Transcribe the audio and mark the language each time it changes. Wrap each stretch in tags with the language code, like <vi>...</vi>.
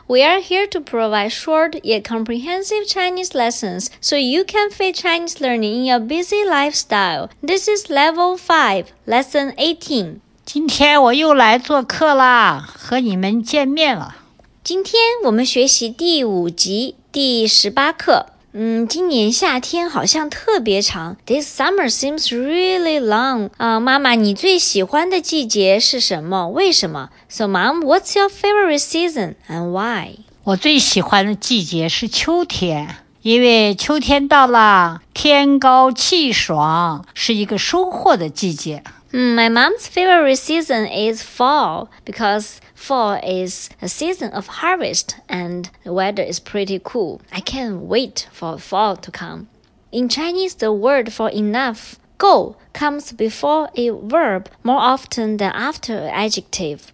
<en>We are here to provide short yet comprehensive Chinese lessons so you can fit Chinese learning in your busy lifestyle. This is Level 5, Lesson 18.</en> <zh>今天我又来做客啦，和你们见面了。今天我们学习第五集，第十八课。今年夏天好像特别长。</zh> <en>This summer seems really long.</en> <zh>妈妈，你最喜欢的季节是什么？为什么？</zh> <en>So, Mom, what's your favorite season and why?</en> <zh>我最喜欢的季节是秋天，因为秋天到了，天高气爽，是一个收获的季节。</zh> <en>My mom's favorite season is fall, because fall is a season of harvest and the weather is pretty cool. I can't wait for fall to come. In Chinese, the word for enough, 够, comes before a verb more often than after an adjective.</en>